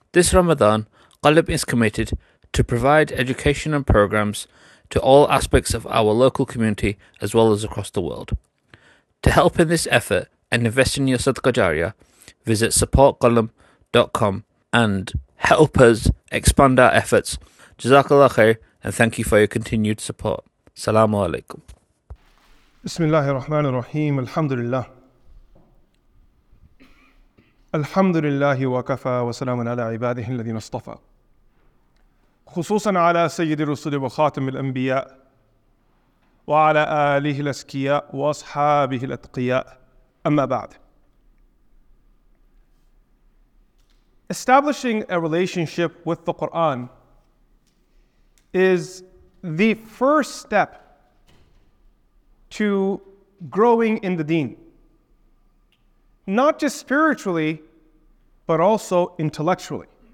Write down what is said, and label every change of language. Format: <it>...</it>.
<en>This Ramadan, Qalb is committed to provide education and programs to all aspects of our local community as well as across the world. To help in this effort and invest in your Sadqa Jariyah, visit supportqalb.com and help us expand our efforts. Jazakallah khair and thank you for your continued support.</en> <ar>Assalamu alaikum. بسم الله الرحمن الرحيم الحمد لله الحمد لله وكفى وسلام على عباده الذين اصطفى خصوصا على سيد الرسل وخاتم الأنبياء وعلى آله الأسكياء وأصحابه الأتقياء أما بعد.</ar> <en>Establishing a relationship with the Quran is the first step to growing in the deen, not just spiritually, but also intellectually.</en>